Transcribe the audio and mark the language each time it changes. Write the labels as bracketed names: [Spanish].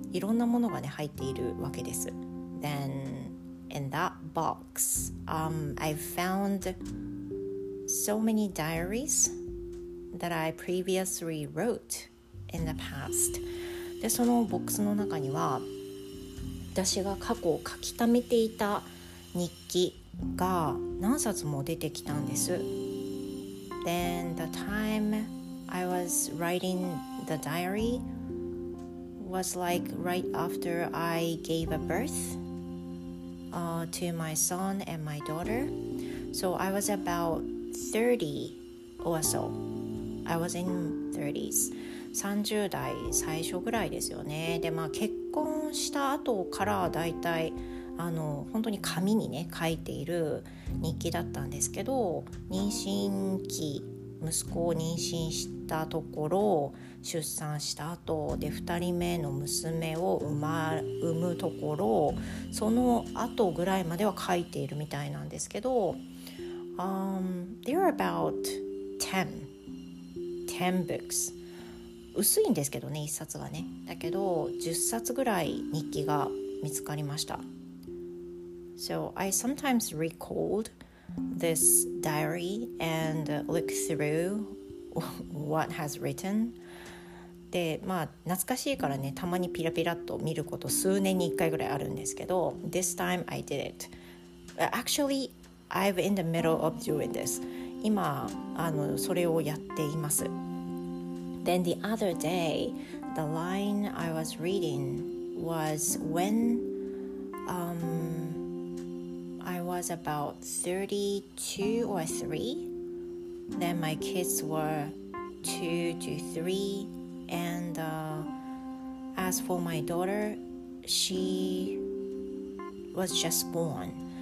[Japanese] いろんなものがね入っているわけです。 [English] Then in that box, I found so many diaries that I previously wrote in the past. [Japanese] で、そのボックスの中には私が過去を書き溜めていた日記が何冊も出てきたんです。 [English] Then the time I was writing the diary was like right after I gave a birth to my son and my daughter. So I was about 30 or so. I was in 30s. [Japanese] 30代最初ぐらいですよね。で、まあ結婚した後からだいたい本当に紙にね書いている日記だったんですけど、妊娠期、息子を妊娠したところ、出産した後で2人目の娘を産むところ、その後ぐらいまでは書いているみたいなんですけど、 [English] there are about 10 books. [Japanese] 薄いんですけどね、1冊はね。だけど10冊ぐらい日記が見つかりました。 [English] So I sometimes recalledthis diary and look through what has written. [Japanese] で、まあ懐かしいからね、たまにピラピラっと見ること数年に1回ぐらいあるんですけど、 [English] This time I did it. Actually, I'm in the middle of doing this. [Japanese] 今それをやっています。 [English] Then the other day, the line I was reading was when I was about 32 or 3. Then my kids were 2 to 3, and as for my daughter, she was just born.